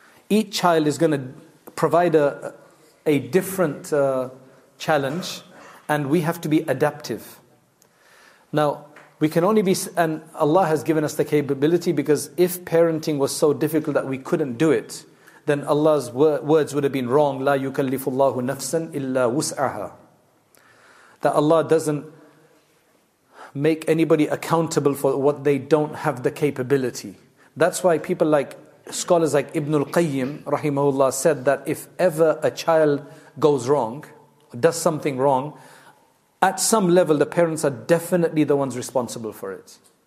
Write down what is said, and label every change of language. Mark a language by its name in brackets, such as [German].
[English] Each child is going to provide a different challenge. And we have to be adaptive. Now, we can only be, and Allah has given us the capability, because if parenting was so difficult that we couldn't do it, then Allah's words would have been wrong. [Arabic] لا يكلف الله نفسا إلا وسعها. [English] That Allah doesn't make anybody accountable for what they don't have the capability. That's why people like, scholars like Ibn al-Qayyim, rahimahullah, said that if ever a child goes wrong, does something wrong, at some level, the parents are definitely the ones responsible for it.